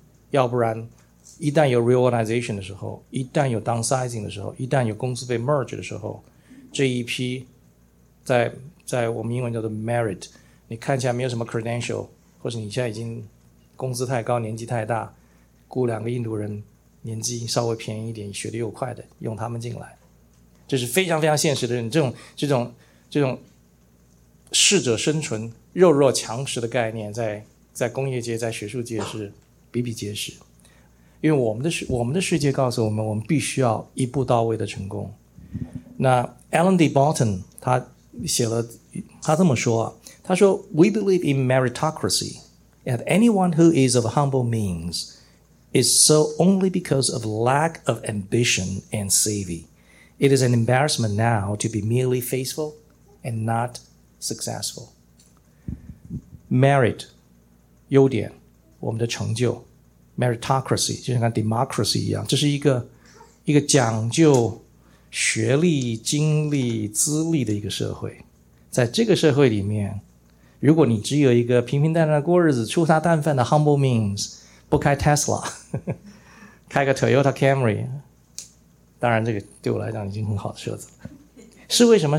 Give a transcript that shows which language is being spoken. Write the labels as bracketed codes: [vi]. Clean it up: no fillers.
[zh] 要不然一旦有 reorganization 的时候，一旦有 downsizing 的时候，一旦有公司被 merge 的时候，这一批在我们英文叫做 merit， 你看起来没有什么 credential， 或是你现在已经工资太高年纪太大，雇两个印度人年纪稍微便宜一点学得又快的，用他们进来，这是非常非常现实的。这种适者生存，弱肉强食的概念在工业界在学术界是比比皆是。因为我们的世界告诉我们，我们必须要一步到位的成功。那 Alan D. [en] Barton [zh] 他写了，他这么说，他说 [en] We believe in meritocracy and anyone who is of humble means is so only because of lack of ambition and savvy. It is an embarrassment now to be merely faithful and not successful. [zh] Merit， 优点，我们的成就 ，meritocracy 就像跟 democracy 一样，这是一个讲究学历、经历、资历的一个社会。在这个社会里面，如果你只有一个平平淡淡过日子、粗茶淡饭的 humble means， 不开 Tesla， 开个 Toyota Camry， 当然这个对我来讲已经很好的车子了，是为什么？